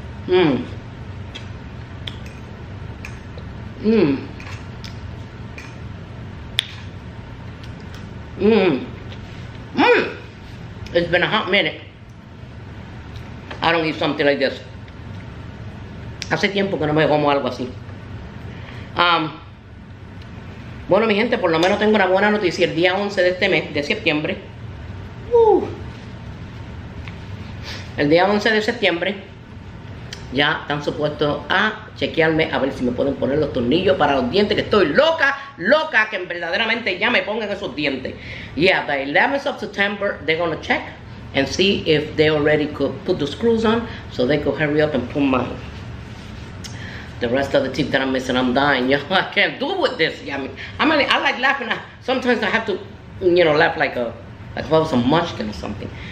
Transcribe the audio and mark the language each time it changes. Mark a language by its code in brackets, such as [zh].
[en] It's been a hot minute. I don't eat something like this. [es] Hace tiempo que no me como algo así. Bueno, mi gente, por lo menos tengo una buena noticia. El día 11 de este mes, de septiembre. El día 11 de septiembre. Ya están supuestos a chequearme a ver si me pueden poner los tornillos para los dientes, que estoy loca, loca que verdaderamente ya me pongan esos dientes. [en] Yeah, by 11th of September they're gonna check and see if they already could put the screws on so they could hurry up and put my the rest of the teeth that I'm missing. I'm dying, yo. I can't do with this. Yeah, I like laughing. Sometimes I have to, you know, laugh like if I was a munchkin or something.